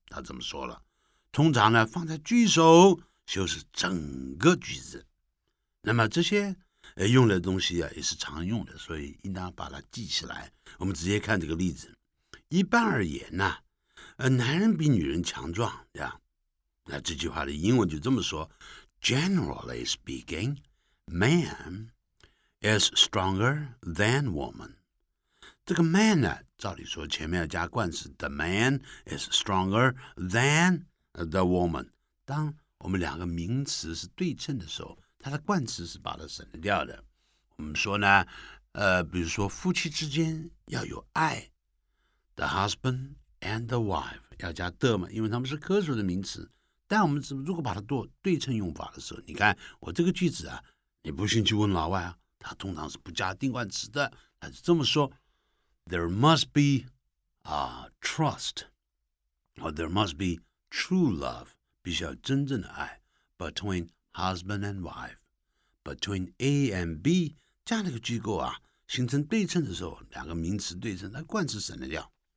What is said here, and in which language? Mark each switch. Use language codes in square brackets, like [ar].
[zh] 他这么说了，通常呢放在句首修饰整个句子。那么这些用的东西啊也是常用的，所以应当把它记起来。我们直接看这个例子。一般而言呢，男人比女人强壮，对吧？那这句话的英文就这么说 [en] ：Generally speaking, man is stronger than woman。 [zh] 这个 man 呢，照理说前面要加冠词 ， [en] the man is stronger than the woman。 [zh] 当我们两个名词是对称的时候，它的冠词是把它省掉的。我们说呢，比如说夫妻之间要有爱 ， [en] the husband and the wife [zh] 要加 the 嘛，因为他们是可数的名词。但我们如果把它做对称用法的时候，你看我这个句子啊，你不信去问老外啊，他通常是不加定冠词的，他是这么说 ： [en] There must be a trust, or there must be true love， [zh] 必须要真正的爱 ， [en] between husband and wife， between A and B， [zh] 这样的一个句构啊，形成对称的时候，两个名词对称，那冠词省得掉，